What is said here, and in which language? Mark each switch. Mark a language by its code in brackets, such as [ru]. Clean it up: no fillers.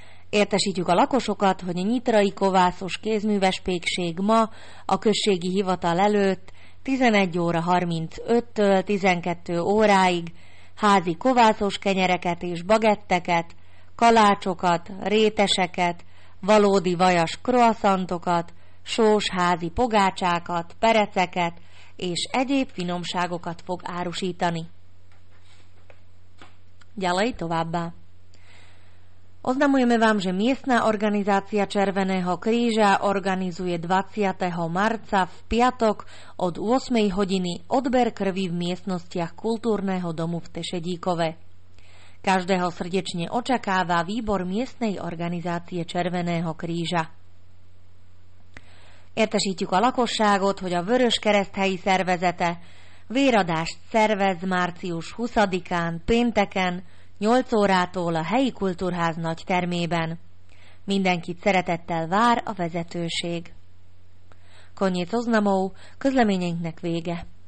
[hu] Értesítjük a lakosokat, hogy a nyitrai kovászos kézművespékség ma a községi hivatal előtt 11 óra 35-től 12 óráig házi kovászos kenyereket és bagetteket, kalácsokat, réteseket, valódi vajas kroaszantokat, sós házi pogácsákat, pereceket és egyéb finomságokat fog árusítani. [sk] Ďalej [hu] továbbá. [sk] Oznamujeme vám, že miestna organizácia Červeného kríža organizuje 20. marca v piatok od 8. hodiny odber krvi v miestnostiach kultúrneho domu v Tešedíkove. Každého srdečne očakáva výbor miestnej organizácie Červeného kríža. [hu] Értesítjük a lakosságot, hogy a Vörös Kereszt helyi szervezete véradást szervez március 20-án pénteken 8 órától a helyi kultúrház nagy termében. Mindenkit szeretettel vár a vezetőség. [sk] Konnyit oznamov, [hu] közleményeinknek vége.